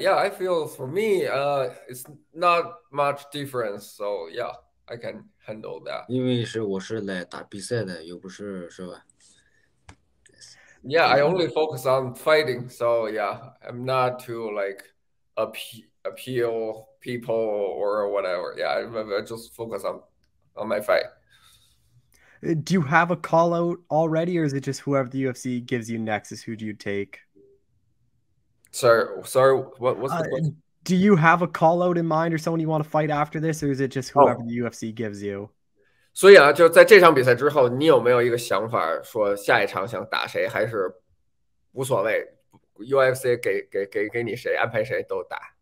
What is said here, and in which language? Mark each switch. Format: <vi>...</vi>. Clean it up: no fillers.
<en>Yeah, I feel for me, it's not much difference. So yeah, I can handle that.</en> <zh>因为我是来打比赛的，又不是是吧？</zh> <en>Yeah, I only focus on fighting. So yeah, I'm not to like appeal people or whatever. Yeah, I just focus on my fight. Do you have a call out already, or is it just whoever the UFC gives you next is who do you take? Sorry. What's the question? Do you have a call out in mind, or someone you want to fight after this, or is it just whoever the UFC gives you?</en> <zh>所以啊，就在这场比赛之后，你有没有一个想法，说下一场想打谁，还是无所谓 ，UFC 给你谁安排谁都打。</zh>